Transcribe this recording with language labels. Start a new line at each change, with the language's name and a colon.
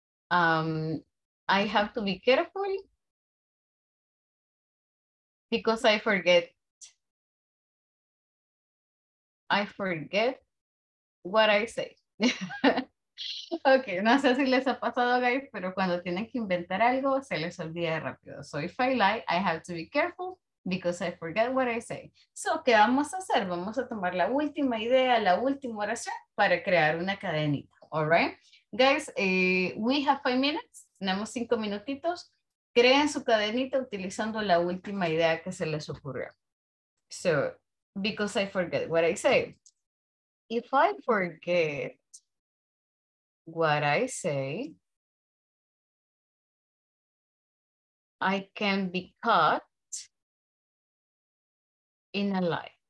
English: I have to be careful because I forget what I say.
Spanish: Okay, no sé si les ha pasado, guys, pero cuando tienen que inventar algo, se les olvida rápido.
English: So if I lie, I have to be careful because I forget what I say.
Spanish: So, ¿qué vamos a hacer? Vamos a tomar la última idea, la última oración para crear una cadenita. All right.
English: Guys, we have 5 minutes. Tenemos 5 minutitos.
Spanish: Creen su cadenita utilizando la última idea que se les ocurrió.
English: So, because I forget what I say. If I forget what I say, I can be caught in a lie.